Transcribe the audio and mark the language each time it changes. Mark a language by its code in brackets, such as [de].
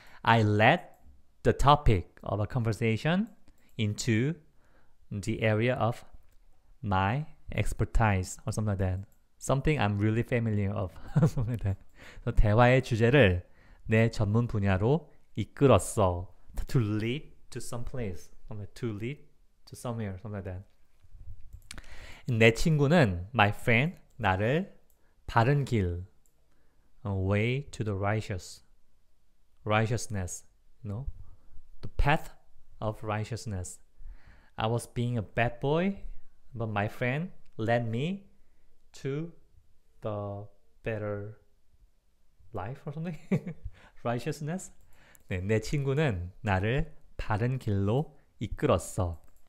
[en] I led the topic of a conversation into the area of my expertise or something like that. Something I'm really familiar of. [ko] 대화의 주제를 내 전문 분야로 이끌었어. [en] To lead to some place, to lead to somewhere, something like that. 내 친구는, my friend, 나를 바른 길, way to the righteousness, you know, the path of righteousness. I was being a bad boy, but my friend led me to the better life or something, righteousness. [ko] 네, 내 친구는 나를 바른 길로 이끌었어.